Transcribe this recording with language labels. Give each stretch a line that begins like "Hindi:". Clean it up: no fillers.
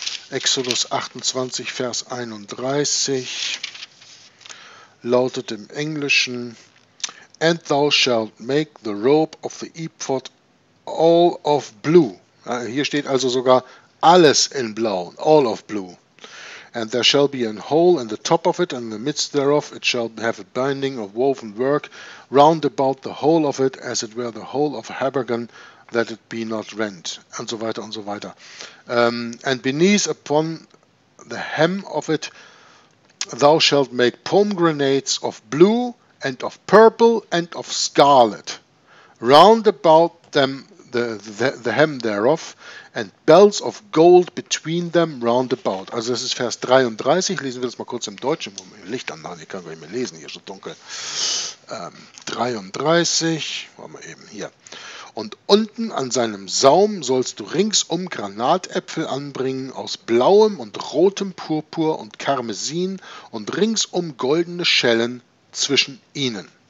German: Exodus 28, Vers 31 lautet im Englischen:
English: And thou shalt make the robe of the ephod all of blue.
German: Hier steht also sogar alles in blau,
English: all of blue. And there shall be an hole in the top of it, and in the midst thereof it shall have a binding of woven work round about the whole of it, as it were the whole of a habergeon, that it be not rent.
German: Und so weiter und so weiter.
English: And beneath upon the hem of it thou shalt make pomegranates of blue, and of purple, and of scarlet, round about them the hem thereof, and bells of gold between them round about.
German: Also das ist Vers 33, lesen wir das mal kurz im Deutschen, wo wir Licht anmachen, ich kann gar nicht mehr lesen, hier ist so dunkel. 33, wollen wir eben hier. Und unten an seinem Saum sollst du ringsum Granatäpfel anbringen aus blauem und rotem Purpur und Karmesin und ringsum goldene Schellen zwischen ihnen.